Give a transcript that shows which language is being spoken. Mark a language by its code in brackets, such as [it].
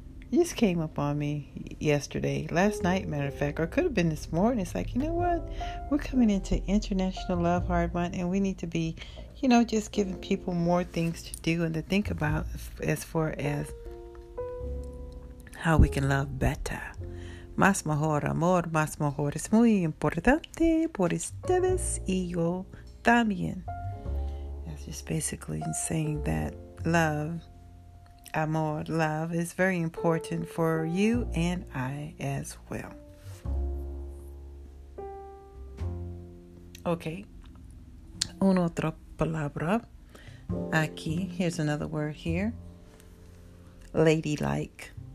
[en] It just came up on me yesterday. Last night, matter of fact. Or could have been this morning. It's like, you know what? We're coming into International Love Heart Month. And we need to be, you know, just giving people more things to do and to think about as far as how we can love better. [es] Más mejor amor, más mejor. Es muy importante por ustedes y yo también. [en] That's just basically saying that. Love, amor, love is very important for you and I as well. Okay. [es] Una otra palabra. Aquí. [en] Here's another word here. ladylike.